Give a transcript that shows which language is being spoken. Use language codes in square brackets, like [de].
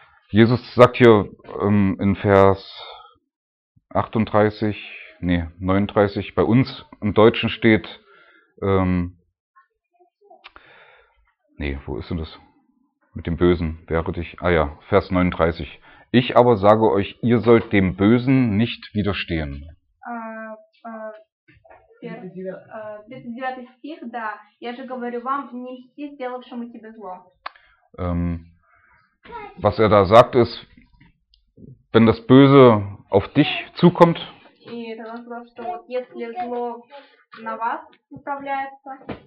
[de] Jesus sagt hier in Vers 38, nee, 39, bei uns im Deutschen steht, nee, wo ist denn das? Mit dem Bösen, wehre dich. Ah ja, Vers 39. Ich aber sage euch, ihr sollt dem Bösen nicht widerstehen. [ru] 39 стих, да. Я же говорю вам, не льсти сделавшему тебе зло. [de] Was er da sagt ist, wenn das Böse auf dich zukommt, [ru] и тогда он сказал, что вот если зло на вас управляется,